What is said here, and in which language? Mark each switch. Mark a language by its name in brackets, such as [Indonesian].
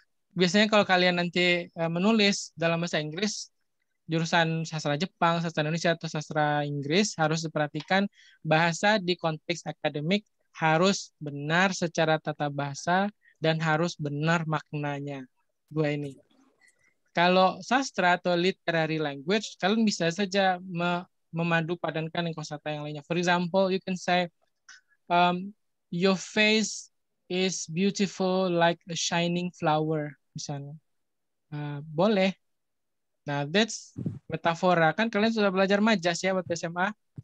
[Indonesian] Biasanya kalau kalian nanti menulis dalam bahasa Inggris, jurusan sastra Jepang, sastra Indonesia, atau sastra Inggris, harus diperhatikan bahasa di konteks akademik harus benar secara tata bahasa dan harus benar maknanya. Dua ini. Kalau sastra atau literary language, kalian bisa saja memadu padankan kosakata yang lainnya. [English] For example, you can say, your face is beautiful like a shining flower. [Indonesian] Misalnya, boleh. Nah, [English] that's [Indonesian] metafora. Kan kalian sudah belajar majas ya waktu SMA?